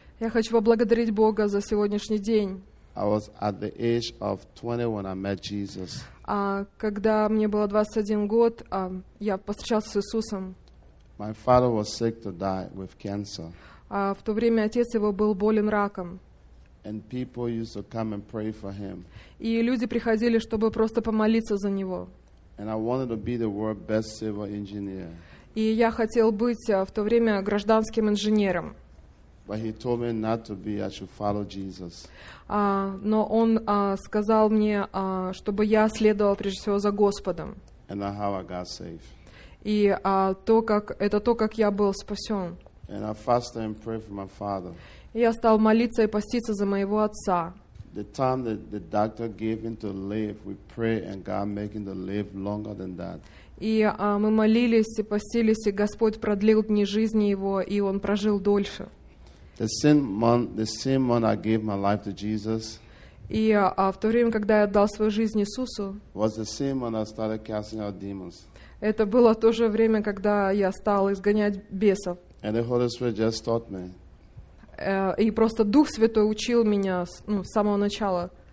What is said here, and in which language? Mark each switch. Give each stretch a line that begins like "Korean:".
Russian: Я хочу поблагодарить Бога за сегодняшний день.
English: I was at the age of 20 when I met Jesus.
Russian: Когда мне было 21 год, я повстречался с Иисусом.
English: My father was sick to die with cancer.
Russian: В то время отец его был болен раком.
English: And people used to come and pray for him.
Russian: И люди приходили, чтобы просто помолиться за него.
English: And I wanted to be the world's best civil engineer.
Russian: И я хотел быть в то время гражданским инженером.
English: But he told me not to be, I should follow Jesus.
Russian: Но он сказал мне, чтобы я следовал прежде всего за Господом.
English: And how I got saved.
Russian: И то, как, это то, как я был спасен.
English: And I fasted and prayed for my father.
Russian: И я стал молиться и поститься за моего отца.
English: The time that the doctor gave him to live, we pray and God making the live longer than that.
Russian: И мы молились и постились, и Господь продлил дни жизни его, и он прожил дольше.
English: The same month I gave my life to Jesus.
Russian: И в то время, когда я отдал свою жизнь Иисусу,
English: was the same month I started casting out demons.
Russian: Это было то же время, когда я стал изгонять бесов.
English: And the Holy Spirit just taught me.
Russian: И просто Дух Святой учил меня с самого начала.